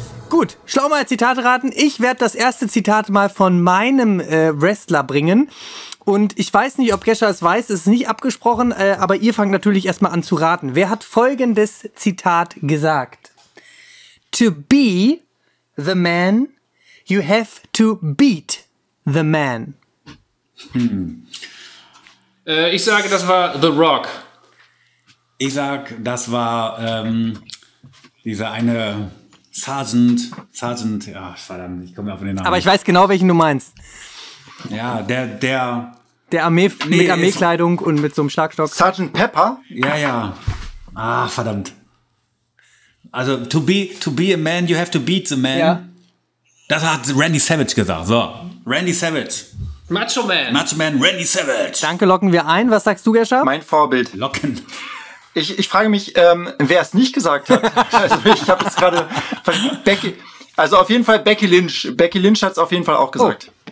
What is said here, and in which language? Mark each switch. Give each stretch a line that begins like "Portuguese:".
German: Gut, Schlaumeier Zitate raten. Ich werde das erste Zitat mal von meinem Wrestler bringen. Und ich weiß nicht, ob Gescher es weiß, es ist nicht abgesprochen, aber ihr fangt natürlich erstmal an zu raten. Wer hat folgendes Zitat gesagt?
English: To be the man, you have to beat the man. Hm.
German: Ich sage, das war The Rock. Ich sage, das war dieser eine Sergeant, ja, verdammt, ich komme ja auf den Namen. Aber ich weiß genau, welchen du meinst. Ja, der... Der Armee, nee, mit Armeekleidung und mit so einem Schlagstock. Sergeant Pepper? Ja, ja. Ah, verdammt.
English: Also, to be a man, you have to beat the man.
German: Ja. Das hat Randy Savage gesagt. So, Randy Savage. Macho Man. Macho Man, Randy Savage. Danke, locken wir ein. Was sagst du, Gescher? Mein Vorbild. Locken. Ich frage mich, wer es nicht gesagt hat. Also, ich habe es gerade... Also, auf jeden Fall Becky Lynch. Becky Lynch hat es auf jeden Fall auch gesagt.